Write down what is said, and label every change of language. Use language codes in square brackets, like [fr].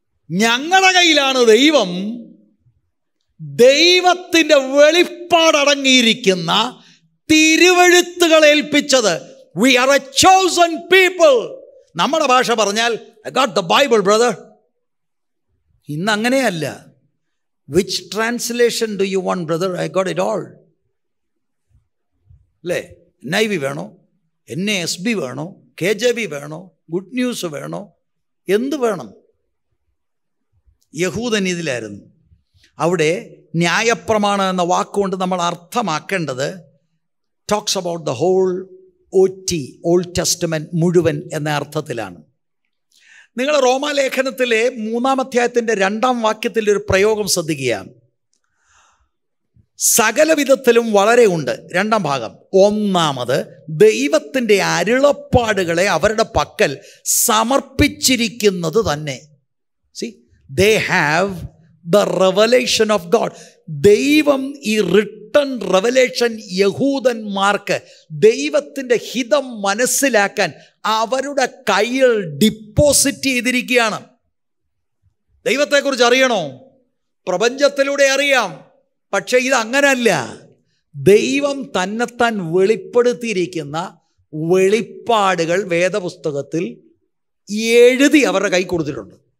[ml] ഞങ്ങളുടെ കയ്യിലാണ് ദൈവം, ദൈവത്തിൻ്റെ വെളിപ്പാടടങ്ങിയിരിക്കുന്ന തിരുവെഴുത്തുകൾ ഏൽപ്പിച്ചത്. [en] We are a chosen people. [ml] നമ്മുടെ ഭാഷ പറഞ്ഞാൽ [en] I got the Bible, brother. [ml] ഇന്ന് അങ്ങനെയല്ല. [en] Which translation do you want, brother? I got it all. [ml] അല്ലേ? NIV വേണോ? NASB വേണോ? KJV വേണോ? ഗുഡ് ന്യൂസ് വേണോ? എന്ത് വേണം? യഹൂദൻ ഇതിലായിരുന്നു. അവിടെ ന്യായപ്രമാണം എന്ന വാക്കുകൊണ്ട് നമ്മൾ അർത്ഥമാക്കേണ്ടത് [en] talks about the whole OT, [ml] old testament മുഴുവൻ എന്ന അർത്ഥത്തിലാണ്. നിങ്ങൾ റോമാലേഖനത്തിലെ 3-ാം അധ്യായത്തിൻ്റെ 2-ാം വാക്യത്തിൽ ഒരു പ്രയോഗം ശ്രദ്ധിക്കുകയാണ്. സകലവിധത്തിലും വളരെ ഉണ്ട്. 2-ാം ഭാഗം. 1-ാമത്, ദൈവത്തിൻ്റെ അരുളപ്പാടുകളെ അവരുടെ പക്കൽ സമർപ്പിച്ചിരിക്കുന്നത് തന്നെ. [en] They have the revelation of God. [ml] ദൈവം ഈ റിട്ടൺ റെവലേഷൻ യഹൂദന്മാർക്ക് ദൈവത്തിൻ്റെ ഹിതം മനസ്സിലാക്കാൻ അവരുടെ കയ്യിൽ ഡിപ്പോസിറ്റ് ചെയ്തിരിക്കുകയാണ്. ദൈവത്തെക്കുറിച്ച് അറിയണോ? പ്രപഞ്ചത്തിലൂടെ അറിയാം, പക്ഷേ ഇതങ്ങനല്ല. ദൈവം തന്നെത്താൻ വെളിപ്പെടുത്തിയിരിക്കുന്ന വെളിപ്പാടുകൾ വേദപുസ്തകത്തിൽ എഴുതി അവരുടെ കൈ കൊടുത്തിട്ടുണ്ട്.